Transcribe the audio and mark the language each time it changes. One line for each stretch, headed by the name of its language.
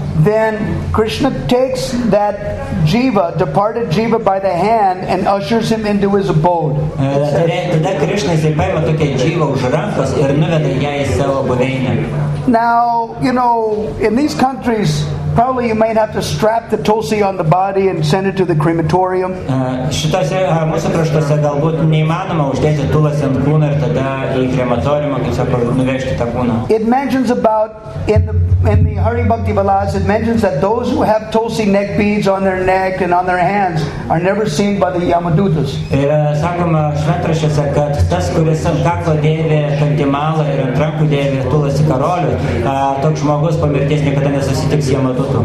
English: then Krishna takes that jiva, departed jiva, by the hand and ushers him into his abode.
Lithuanian: Tada Krishna jisai paima tokią jivą už rankos ir nuveda ją į savo buveinę.
English: Now, in these countries, Probably you might have to strap the Tulsi on the body and send it to the crematorium. It mentions about in the Hari Bhakti Vilas, it mentions that those who have Tulsi neck beads on their neck and on their hands are never seen by the Yamadutas.